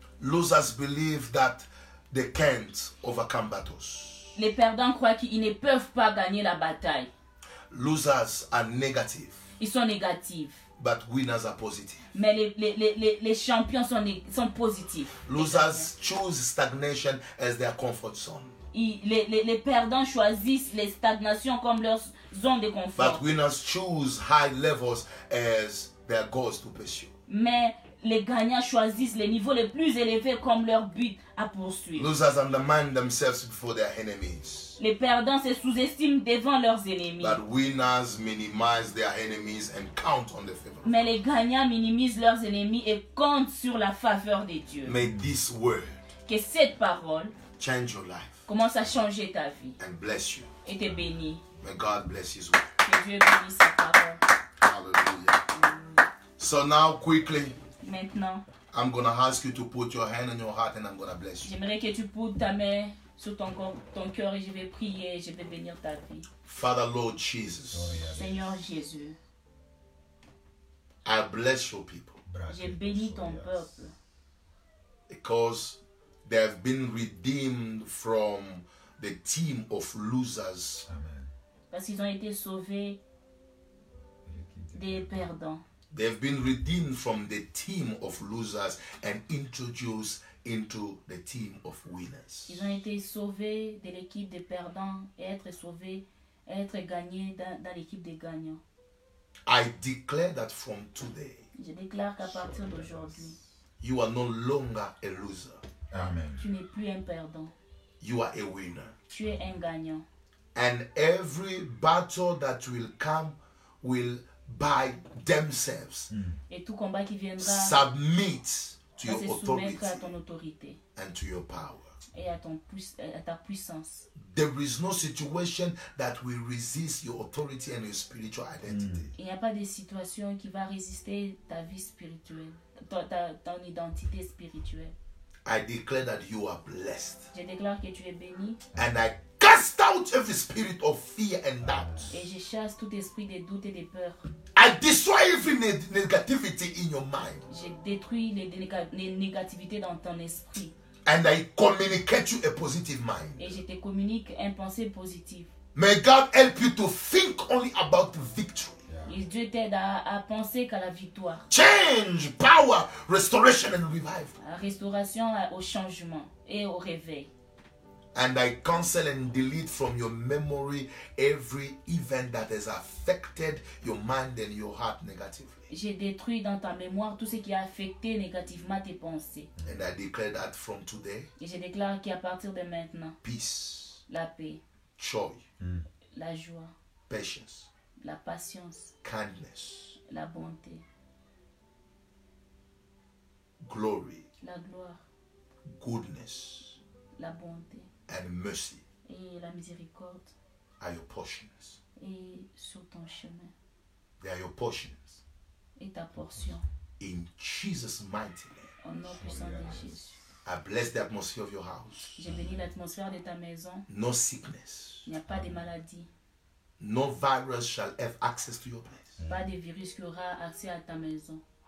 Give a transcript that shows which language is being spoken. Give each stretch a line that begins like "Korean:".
English: Losers believe that they can't overcome battles.
French: Les perdants croient qu'ils ne peuvent pas gagner la bataille.
English: Losers are negative.
French: Ils sont négatifs.
English: But winners are positive.
French: Mais les champions sont positifs.
English: Losers choose stagnation as their comfort zone.
French: Les perdants choisissent les stagnations comme leur zone de confort.
English: But winners choose high levels as their goals to pursue.
French: Mais les gagnants choisissent les niveaux les plus élevés comme leur but à poursuivre.
English: Losers undermine themselves before their enemies.
French: Les perdants se sous-estiment devant leurs ennemis.
English: But winners minimize their enemies and count on the favor.
French: Mais les gagnants minimisent leurs ennemis et comptent sur la faveur de Dieu.
English: May this word,
French: que cette parole,
English: change your life.
French: Commence à changer ta vie.
English: And bless you.
French: Et te bénis.
English: May God bless His word.
French: Que Dieu bénisse sa parole.
English: Hallelujah. So now quickly.
French: Maintenant.
English: I'm gonna ask you to put your hand on your heart and I'm gonna bless you.
French: J'aimerais que tu poses ta main sur ton corps, ton cœur, et je vais prier, je vais bénir ta vie.
English: Father Lord Jesus.
French: Seigneur Jésus.
English: I bless your people.
French: Je bénis ton peuple.
English: Because they have been redeemed from the team of losers. Amen.
French: Parce qu'ils ont été sauvés des perdants.
English: They have been redeemed from the team of losers and introduced into the team of winners.
French: Ils ont été sauvés de l'équipe des perdants et être sauvés, être gagnés dans l'équipe des gagnants.
English: I declare that from today.
French: Je déclare qu'à partir d'aujourd'hui,
English: you are no longer a loser. Amen.
French: Tu n'es plus un perdant.
English: You are a winner.
French: Tu es un gagnant.
English: And every battle that will come will by themselves
French: et tout combat qui viendra
English: submit to your
French: authority, à ton autorité
English: and to your power
French: et à ta puissance.
English: There is no situation that will resist your authority and your spiritual identity.
French: Il n'y a pas de situation qui va résister ta vie spirituelle, ton identité spirituelle.
English: I declare that you are blessed.
French: Je déclare que tu es béni.
English: And I cast out every spirit of fear and doubt.
French: Et je chasse tout esprit de doute et de peur.
English: I destroy every negativity in your mind.
French: Je détruis les négativités dans ton esprit.
English: And I communicate you a positive mind.
French: Et je te communique un pensée positive.
English: May God help you to think only about the victory.
French: Et Dieu t'aide à penser qu'à la victoire.
English: Change, power, restoration and revival.
French: À restauration, au changement et au réveil.
English: And I cancel and delete from your memory every event that has affected your mind and your heart negatively.
French: Je détruis dans ta mémoire tout ce qui a affecté négativement tes pensées.
English: And I declare that from today.
French: Et je déclare qu'à partir de maintenant.
English: Peace.
French: La paix.
English: Joy.
French: La joie.
English: Patience.
French: La patience,
English: kindness,
French: la bonté,
English: glory,
French: la gloire,
English: goodness,
French: la bonté,
English: and mercy,
French: et la miséricorde,
English: are your portions,
French: et sur ton chemin,
English: they are your portions,
French: et ta portion,
English: in Jesus' mighty name,
French: au nom puissant de Jésus.
English: I bless the atmosphere of your house.
French: Je bénis l'atmosphère de ta maison.
English: No sickness.
French: Il n'y a pas de maladie.
English: No virus shall have access to your place.
French: Pas de virus qui aura accès à ta maison.